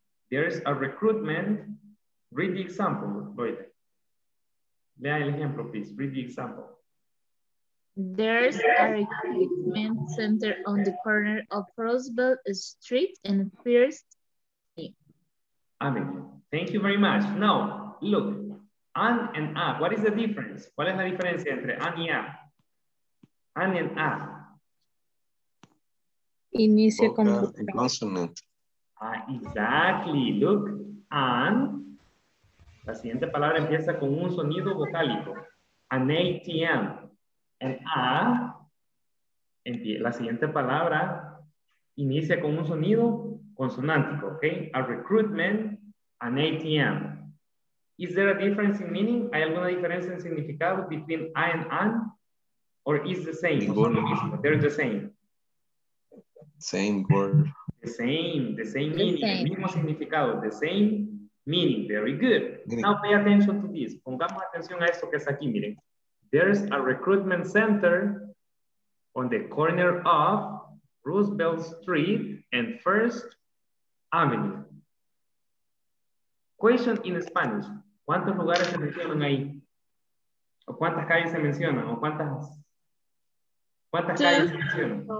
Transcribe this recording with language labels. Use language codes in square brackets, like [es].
[en] There is a recruitment. Read the example, Lloyd. Lea el ejemplo, please. Read the example. There's a recruitment center on the corner of Roosevelt Street and First Avenue. Thank you very much. Now, look, an and a, what is the difference? [es] ¿Cuál es la diferencia entre an y a? [en] An and a. [es] Inicia con [en] consonant. Ah, exactly. [es] Look, an, la siguiente palabra empieza con un sonido vocálico. An ATM. And a, la siguiente palabra inicia con un sonido [en] consonántico, okay? A recruitment, an ATM. Is there a difference in meaning? ¿Hay alguna diferencia en significado between I and an? Or is the same? They're the same. Same word. The same meaning, the same. Mismo significado, the same meaning. Very good. Now pay attention to this. [es] Pongamos atención a esto que está aquí, miren. [en] There's a recruitment center on the corner of Roosevelt Street and First Avenue. [es] Question in Spanish. ¿Cuántos lugares se mencionan ahí? ¿O cuántas calles se mencionan? ¿O cuántas? ¿Cuántas calles se mencionan?